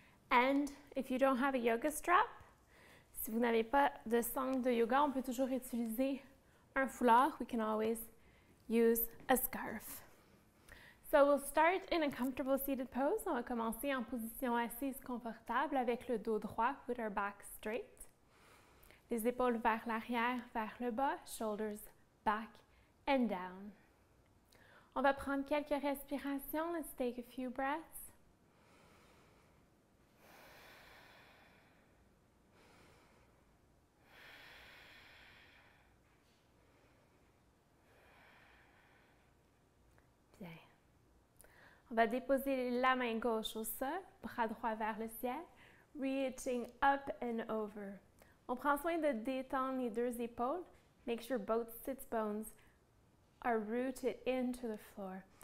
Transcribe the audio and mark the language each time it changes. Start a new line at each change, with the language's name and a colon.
English: And if you don't have a yoga strap,
French: si vous n'avez pas de sangle de yoga, on peut toujours utiliser un foulard.
English: We can always use a scarf. So we'll start in a comfortable seated pose.
French: On va commencer en position assise confortable avec le dos droit,
English: with our back straight.
French: Les épaules vers l'arrière, vers le bas,
English: shoulders back and down.
French: On va prendre quelques respirations.
English: Let's take a few breaths.
French: On va déposer la main gauche au sol, bras droit vers le ciel,
English: reaching up and over.
French: On prend soin de détendre les deux épaules.
English: Make sure both sit bones are rooted into the floor.